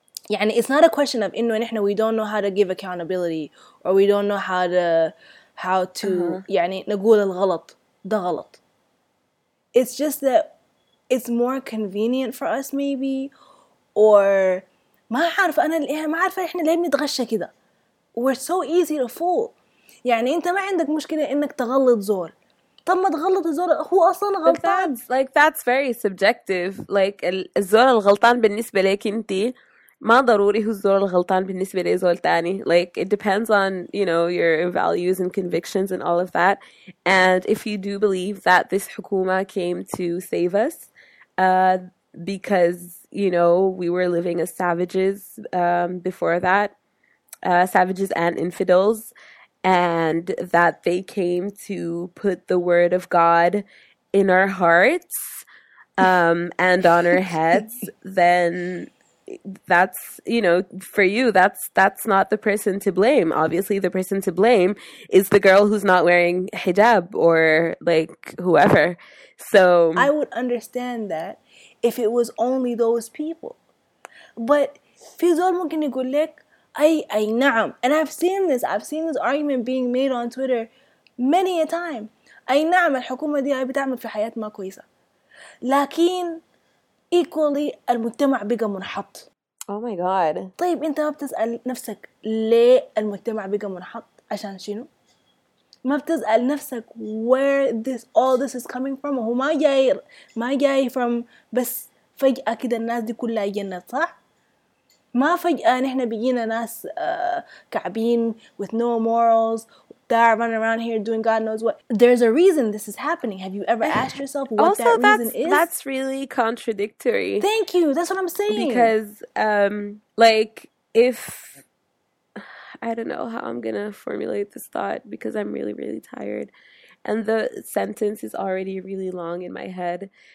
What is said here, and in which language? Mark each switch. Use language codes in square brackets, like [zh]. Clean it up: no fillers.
[en] Yeah, and it's not a question of [ar] إنو نحنا [en] we don't know how to give accountability or we don't know how to [ar] يعني نقول الغلط ده غلط. [en] It's just that it's more convenient for us, maybe, or [ar] ما عارف أنا ما عارف إحنا ليه بنتغشى كده. [en] We're so easy to fool. [ar] يعني أنت ما عندك مشكلة إنك تغلط زور. طب ما تغلط الزور هو أصلاً غلطان. [en] That's very subjective. [ar] Like الزور الغلطان بالنسبة لك أنت ما ضروري هو الزور الغلطان بالنسبة لزول تاني. [en] Like it depends on, you know, your values and convictions and all of that. And if you do believe that this حكومة came to save us, because, you know, we were living as savages before that, savages and infidels, and that they came to put the word of God in our hearts and on our heads, then that's, you know, for you, that's not the person to blame. Obviously, the person to blame is the girl who's not wearing hijab or, like, whoever. So I would understand that if it was only those people. [ar] But في زول ممكن يقول لك أي نعم. [en] And I've seen this argument being made on Twitter many a time. [ar] أي نعم الحكومة دي هي بتعمل في حياة ما كويسة. لكن equally المجتمع بقى منحط. [en] Oh my god. [ar] طيب انت ما بتسأل نفسك ليه المجتمع بقى منحط عشان شنو؟ ما بتسأل نفسك [en] where this all this is coming from. [ar] هو ما جاي from بس فجأة كده الناس دي كلها جنة صح؟ ما فجأة نحن بيجينا ناس كعبين [en] with no morals that are running around here doing God knows what. There's a reason this is happening. Have you ever asked yourself what also, that reason that's, is? That's really contradictory. Thank you. That's what I'm saying. Because, like, if... I don't know how I'm going to formulate this thought because I'm really, really tired. And the sentence is already really long in my head.